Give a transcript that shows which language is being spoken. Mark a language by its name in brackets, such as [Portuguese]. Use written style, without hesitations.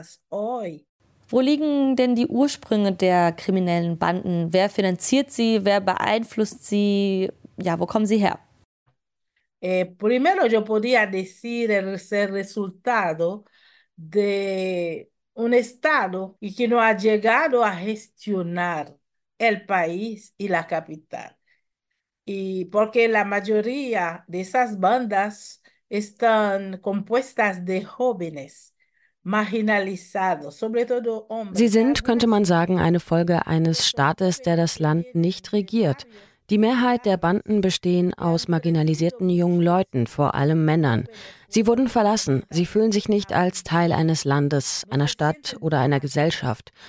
[German] Wo liegen denn die Ursprünge der kriminellen Banden? Wer finanziert sie? Wer beeinflusst sie? Ja, wo kommen sie her? [Spanish] Primero yo podía decir el resultado de un estado que no ha llegado a gestionar el país y la capital. Y porque la mayoría de esas bandas están compuestas de jóvenes marginalizados, sobre todo hombres. [German] Sie sind, könnte man sagen, eine Folge eines Staates, der das Land nicht regiert. Die Mehrheit der Banden bestehen aus marginalisierten jungen Leuten, vor allem Männern. Sie wurden verlassen. Sie fühlen sich nicht als Teil eines Landes, einer Stadt oder einer Gesellschaft.